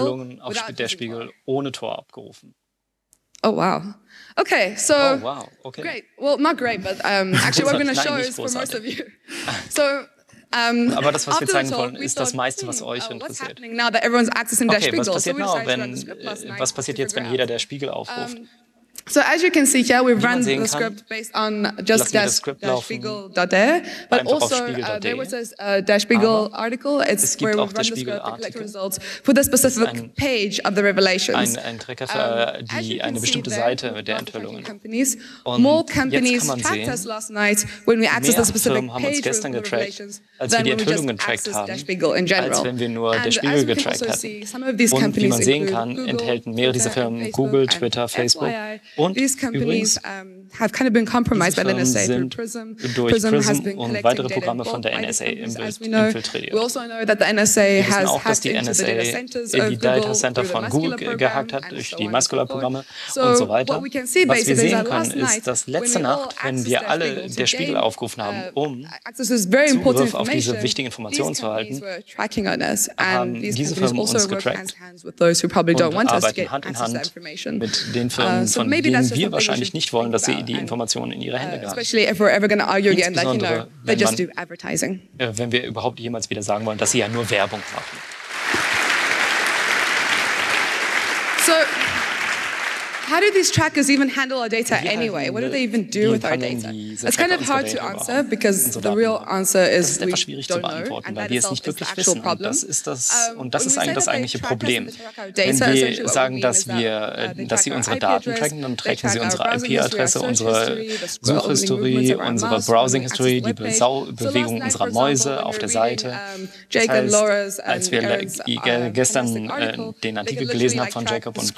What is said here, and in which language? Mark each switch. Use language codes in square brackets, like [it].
[de] Wer hat diese Enthüllungen auf Der Spiegel ohne Tor abgerufen? [en] Oh wow. Okay, so Okay. Great. Well, not great, but actually, what we're going to show is for most of you. So. [de] Aber das, was wir zeigen wollen, ist das meiste, was euch interessiert. Was passiert jetzt, wenn jeder Der Spiegel aufruft? [en] So as you can see here, we've run the script based on just Der Spiegel.de, but also there was a Der Spiegel article. It's where we run the script to collect results for the specific page of the revelations. [de] Ein Tracker für eine bestimmte Seite mit der Enthüllungen. [en] More companies tracked us last night when we accessed the specific page of the revelations than when we just accessed Der Spiegel in general. [de] Als wenn wir nur Der Spiegel getrackt hatten. Und wie man sehen kann, enthalten mehrere dieser Firmen Google, Twitter, Facebook. Und [en] these companies have kind of been compromised by the NSA through Prism. Prism has been [de] und weitere Programme von der NSA infiltriert. [en] We also know that the NSA has [de] auch, [en] hacked into NSA the data centers of [de] Google gehackt hat durch die Maskula-Programme und so weiter. [en] What we can see [de] was wir sehen können, [en] night, [de] ist, dass letzte Nacht, wenn wir alle Der Spiegel aufgerufen haben, um Zugriff auf diese wichtigen Informationen zu erhalten, haben diese Firmen uns getrackt und arbeiten Hand in Hand mit den Firmen von denen wir wahrscheinlich nicht wollen, dass sie die Informationen in ihre Hände geraten. Insbesondere, wenn wir überhaupt jemals wieder sagen wollen, dass sie ja nur Werbung machen. [en] So, how do these trackers even handle our data anyway? What do they even do with our data? It's kind of hard to answer because the real answer is we don't know, and that itself is the actual problem. [de] Und das ist eigentlich das eigentliche Problem. Wenn wir sagen, dass sie unsere Daten tracken, dann tracken sie unsere IP-Adresse, unsere Suchhistorie, unsere Browsing-History, die Bewegung unserer Mäuse auf der Seite. Das heißt, als wir gestern den Artikel gelesen haben von Jacob und